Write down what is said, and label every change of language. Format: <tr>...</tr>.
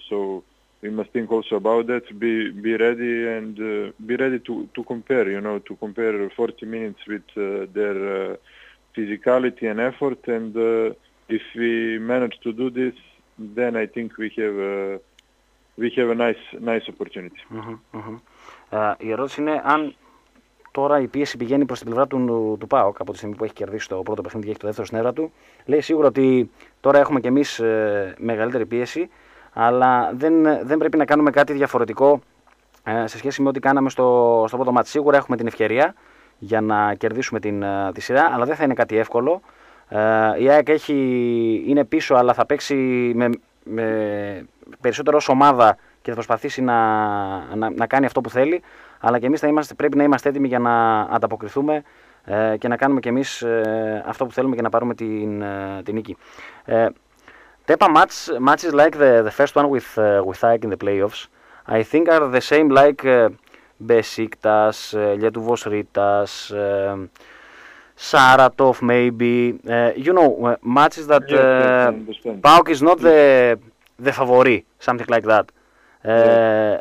<en>So we must think also about that. Be ready and be ready to compare. You know, to compare 40 minutes with their physicality and effort. And if we manage to do this, then I think we have. We have a nice opportunity.</en> <el>Η ερώτηση είναι αν τώρα η πίεση πηγαίνει προς την πλευρά του ΠΑΟΚ από τη στιγμή που έχει κερδίσει το πρώτο παιχνίδι και έχει το δεύτερο στην έδρα του. Λέει σίγουρα ότι τώρα έχουμε κι εμείς μεγαλύτερη πίεση, αλλά δεν πρέπει να κάνουμε κάτι διαφορετικό σε σχέση με ό,τι κάναμε στο πρώτο ματς. Σίγουρα έχουμε την ευκαιρία για να κερδίσουμε τη σειρά, αλλά δεν θα είναι κάτι εύκολο. Η ΑΕΚ είναι πίσω, αλλά θα παίξει με περισσότερο ως ομάδα και θα προσπαθήσει να κάνει αυτό που θέλει, αλλά και εμείς πρέπει να είμαστε έτοιμοι για να ανταποκριθούμε και να κάνουμε και εμείς αυτό που θέλουμε και να πάρουμε την νίκη.</el> <en>Τέπα, matches like the first one with AEK in the playoffs, I think are the same like Besiktas, Λιέτουβος Ρίτας, Saratov maybe, you know, matches that PAOK is not the favori, something like that. Yeah.</en>